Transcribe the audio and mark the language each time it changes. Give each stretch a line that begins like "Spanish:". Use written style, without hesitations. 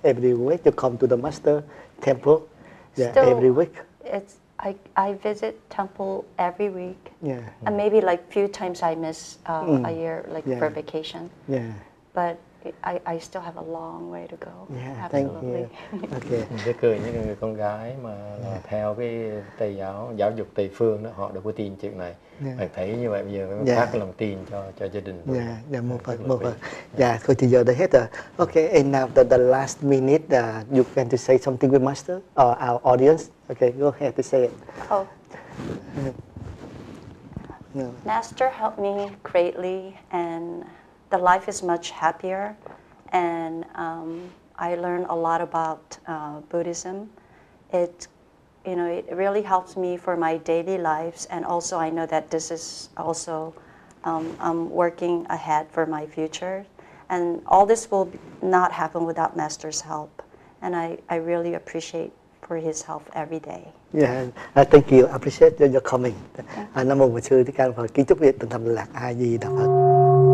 English: Every week you come to the master temple. Still, every week. It's I visit temple every week. And maybe like few times I miss a year, like for vacation. But I still have a long way to go. Absolutely. Thank you. Okay.
Vietnamese: Những người con gái mà theo cái tây giáo dục tây phương đó, họ đã có tin chuyện này. Bạn thấy như vậy bây giờ mới phát lòng tin cho gia đình. Một phần. Thôi thì giờ đã hết rồi.
English: Okay, and now the last minute, you can to say something with Master or our audience. Okay, go ahead to say it. Master helped me greatly, and the life is much happier, and I learned a lot about Buddhism. It, you know, it really helps me for my daily lives, and also I know that this is also I'm working ahead for my future, and all this will not happen without Master's help, and I really appreciate for his help every day. Yeah, thank you. I appreciate your coming.
Vietnamese: Namo Bổn Sư Thích Ca Phật, kính chúc vị tinh thần lạc A Di Đà Phật.